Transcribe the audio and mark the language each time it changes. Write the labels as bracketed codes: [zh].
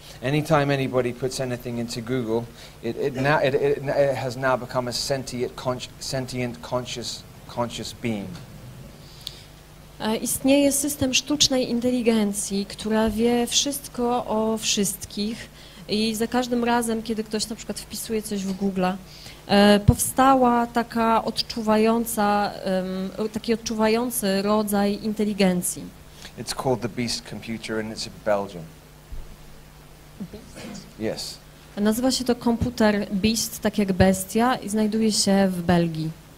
[en] Anytime anybody puts anything into Google, it has now become a sentient conscious being. [pl] Istnieje system sztucznej inteligencji, która wie wszystko o wszystkich i za każdym razem, kiedy ktoś na przykład wpisuje coś w Google, powstała taka odczuwająca, taki odczuwający rodzaj inteligencji. [en] It's called the Beast Computer and it's in Belgium. Yes. [pl] Nazywa się to komputer Beast, tak jak bestia, i znajduje się w Belgii.